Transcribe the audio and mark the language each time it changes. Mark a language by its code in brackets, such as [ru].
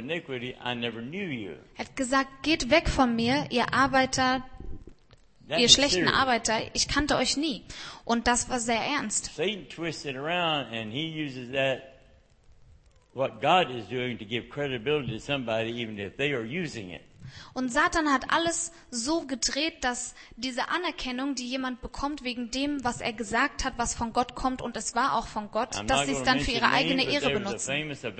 [de] Er hat gesagt, geht weg von mir, ihr Arbeiter, ihr schlechten Arbeiter, ich kannte euch nie. Und das war sehr ernst. [en] Satan twisted around and he uses that what God is doing to give credibility to somebody even if they are using it. [de] Und Satan hat alles so gedreht, dass diese Anerkennung, die jemand bekommt wegen dem, was er gesagt hat, was von Gott kommt und es war auch von Gott, dass sie es dann für ihre eigene Ehre benutzen.